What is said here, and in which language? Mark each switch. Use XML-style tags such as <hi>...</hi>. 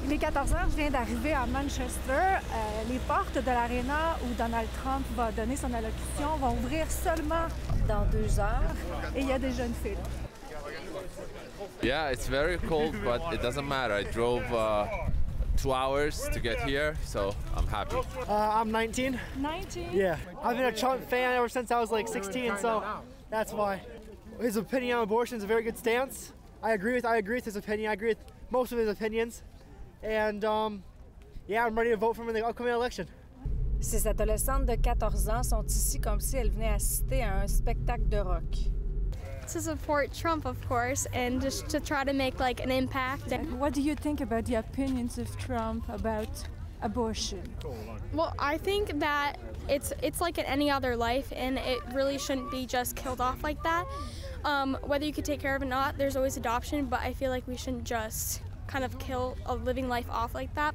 <fr>Il est 14h, je viens d'arriver à Manchester. Les portes de l'aréna où Donald Trump va donner son allocution vont ouvrir seulement dans 2 heures et il y a déjà une file.</fr> <en>Yeah, it's very cold, but it doesn't matter. I drove 2 hours to get here, so I'm happy. I'm 19. 19? Yeah. I've been a Trump fan ever since I was like 16, so that's why. His opinion on abortion is a very good stance. I agree with his opinion. I agree with most of his opinions. And yeah, I'm ready to vote for him in the upcoming election.</en> <fr>Ces adolescentes de 14 ans sont ici comme si elles venaient assister à un spectacle de rock.</fr> <en>To support Trump, of course, and just to try to make like an impact. What do you think about the opinions of Trump about abortion? Well, I think that it's like in any other life, and it really shouldn't be just killed off like that. Whether you could take care of it or not, there's always adoption, but I feel like we shouldn't just kind of kill a living life off like that.</en>